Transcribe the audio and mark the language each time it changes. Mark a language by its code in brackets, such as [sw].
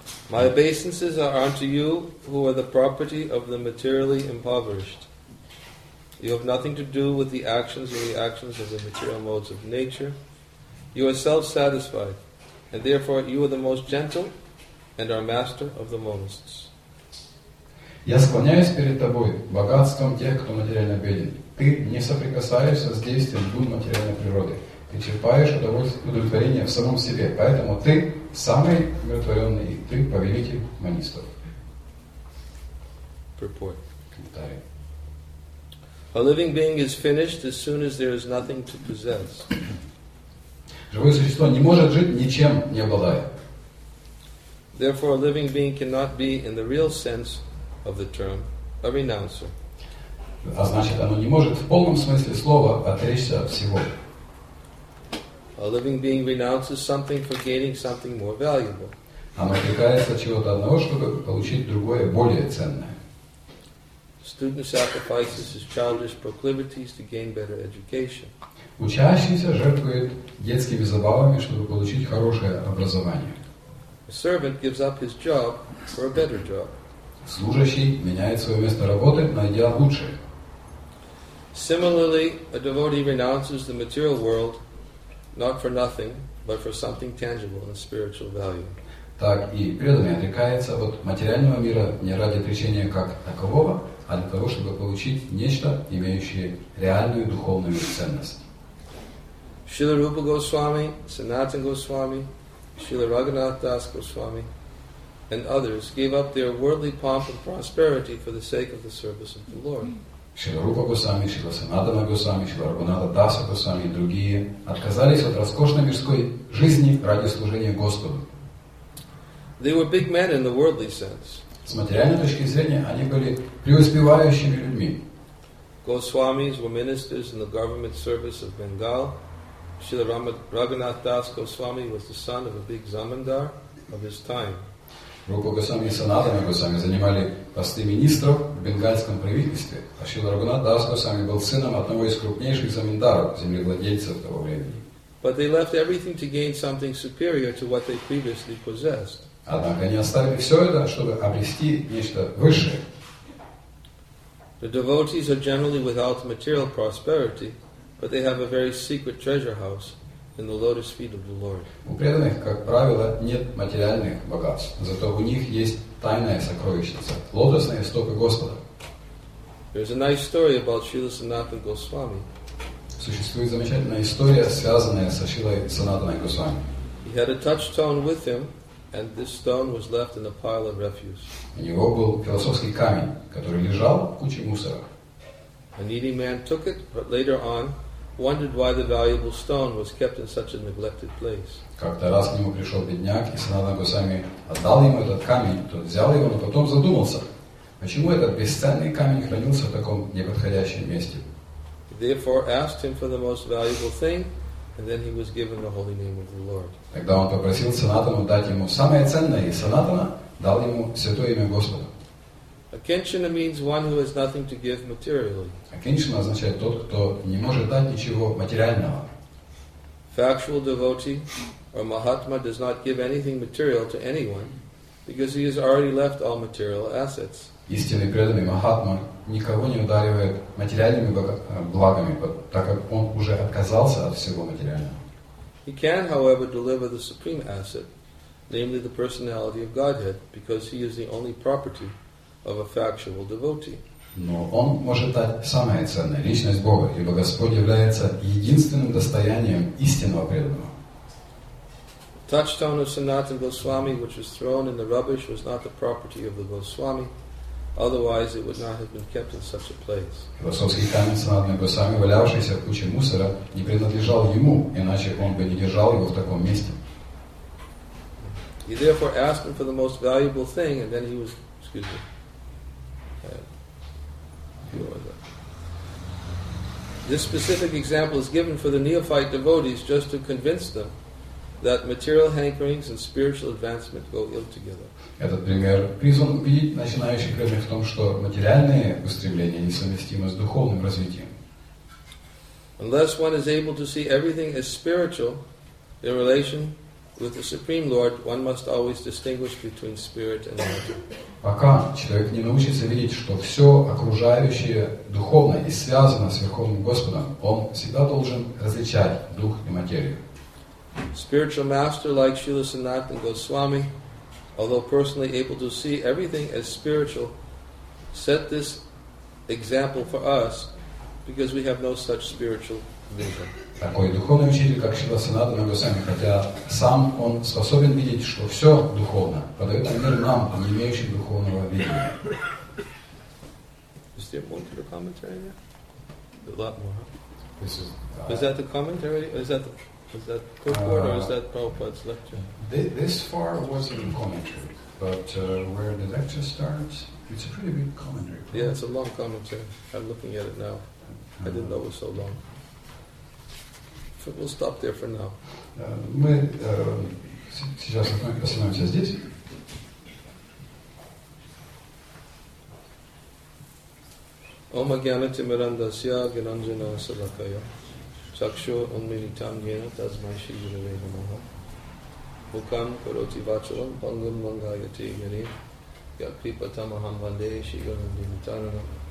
[en] My obeisances are unto you who are the property of the materially impoverished. You have nothing to do with the actions or reactions of the material modes of nature. You are self-satisfied, and therefore you are the most gentle and are master of the monists. [ru] Я склоняюсь перед тобой богатством тех, кто материально беден. Ты не соприкасаешься с действием дух материальной природы. Ты черпаешь удовлетворение в самом себе. Поэтому ты самый умиротворенный, и ты повелитель монистов. [en] Purport. [ru] Комментарий. [en] A living being is finished as soon as there is nothing to possess. [ru] Живое существо не может жить, ничем не обладая. [en] Therefore, a living being cannot be, in the real sense of the term, a renouncer. [ru] А значит, оно не может в полном смысле слова отречься от всего. [en] A living being renounces something for gaining something more valuable. [ru] Оно отрекается чего-то одного, чтобы получить другое, более ценное. [en] Student sacrifices his childish proclivities to gain better education. [ru] Учащийся жертвует детскими забавами, чтобы получить хорошее образование. [en] A servant gives up his job for a better job. [ru] Служащий меняет свое место работы, найдя лучшее. [en] Similarly, a devotee renounces the material world not for nothing, but for something tangible and spiritual value. [ru] Так и преданный отрекается от материального мира не ради отречения как такового, а для того, чтобы получить нечто, имеющее реальную духовную ценность. [en] Шрила Рупа Госвами, Санатан Госвами, Шрила Рагханат Дас Госвами and others gave up their worldly pomp and prosperity for the sake of the service of the Lord. [ru] Шрила Рупа Госвами, Шрила Санатана Госвами, Шрила Рагханат Дас Госвами и другие отказались от роскошной мирской жизни ради служения Господу. [en] They were big men in the worldly sense. [ru] С материальной точки зрения они были преуспевающими людьми. [en] Госвамис were ministers in the government service of Bengal. Шрила Рагханат Дас Госвами was the son of a big zamindar of his time. [ru] Рупа Госвами и Санатана Госвами занимали посты министров в бенгальском правительстве, а Шрила Рагханат Дас Госвами был сыном одного из крупнейших замендаров, землевладельцев того времени. [en] But they left everything to gain something superior to what they previously possessed. [ru] Однако они оставили все это, чтобы обрести нечто высшее. [en] The devotees are generally without material prosperity, but they have a very secret treasure house in the lotus feet of the Lord. [ru] У преданных, как правило, нет материальных богатств, зато у них есть тайная сокровищница – лотосные стопы Господа. [en] There's a nice story about Srila Sanatana Goswami. [ru] Существует замечательная история, связанная со Шрилой Санатаной Госвами. [en] He had a touchstone with him, and this stone was left in a pile of refuse. [ru] У него был философский камень, который лежал в куче мусора. [en] A needy man took it, but later on wondered why the valuable stone was kept in such a neglected place. [ru] Как-то раз к нему пришел бедняк, и Санатана Госвами отдал ему этот камень. Тот взял его, но потом задумался, почему этот бесценный камень хранился в таком неподходящем месте. [en] Therefore asked him for the most valuable thing, and then he was given the holy name of the Lord. [ru] Тогда он попросил Санатану дать ему самое ценное, и Санатана дал ему святое имя Господа. [en] Акинчана means one who has nothing to give materially. [ru] Акинчана означает тот, кто не может дать ничего материального. [en] Factual devotee or mahatma does not give anything material to anyone because he has already left all material assets. [ru] Истинный преданный Махатма никого не одаривает материальными благами, так как он уже отказался от всего материального. [en] He can, however, deliver the supreme asset, namely the personality of Godhead, because he is the only property of a factual devotee. [ru] Но он может дать самое ценное, личность Бога, ибо Господь является единственным достоянием истинного преданного. [en] The touchstone of Sanatan Goswami, which was thrown in the rubbish, was not the property of the Goswami, otherwise it would not have been kept in such a place. [ru] Философский камень Санатана Госвами, валявшийся в куче мусора, не принадлежал ему, иначе он бы не держал его в таком месте. [en] He therefore asked him for the most valuable thing, and then he was, excuse me, this specific example is given for the neophyte devotees just to convince them that material hankerings and spiritual advancement go ill together. [ru] Этот пример призван убедить начинающих преданных в том, что материальные устремления несовместимы с духовным развитием. [en] Unless one is able to see everything as spiritual in relation with the Supreme Lord, one must always distinguish between spirit and matter. [ru] Пока человек не научится видеть, что все окружающее духовно и связано с Верховным Господом, он всегда должен различать дух и материю. [en] Spiritual master like Śrīla Sanātana Goswāmī, although personally able to see everything as spiritual, set this example for us because we have no such spiritual vision. [ru] Такой духовный учитель, как Шрила Санатана Госвами, хотя сам он способен видеть, что все духовно, подает пример нам, не имеющим духовного видения. [en] Is there one to the commentary? A lot more. Is that the commentary? Is that Purport or is that Prabhupada's lecture? This far was a commentary, but where the lecture starts, it's a pretty big commentary. Probably. Yeah, it's a long commentary. I'm looking at it now. I didn't know it was so long. We'll stop there for now. [ru] Мы сейчас остановимся здесь. [sa] Ома гьянати мирандасья гьянанджана салакая чакшу унмилитам гьяна тазмайши гиреве намаха мукам кароти вачалам пангам мангайати гьяне гьяпипатам ахам ванде шигарам димитарана